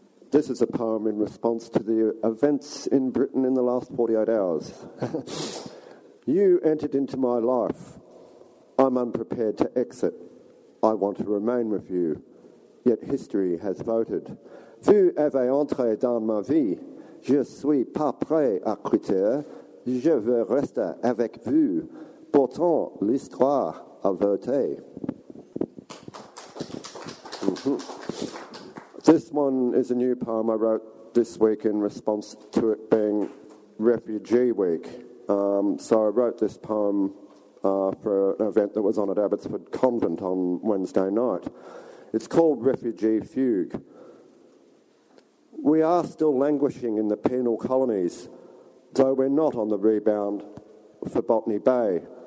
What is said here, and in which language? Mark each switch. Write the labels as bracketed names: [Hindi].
[English] This is a poem in response to the events in Britain in the last 48 hours. You entered into my life. I'm unprepared to exit. I want to remain with you. Yet history has voted. [French] Vous avez entré dans ma vie. Je suis pas prêt à quitter. Je veux rester avec vous. Pourtant, l'histoire a voté. Mm-hmm. [English] This one is a new poem I wrote this week in response to it being Refugee Week. So I wrote this poem for an event that was on at Abbotsford Convent on Wednesday night. It's called Refugee Fugue. We are still languishing in the penal colonies, though we're not on the rebound for Botany Bay.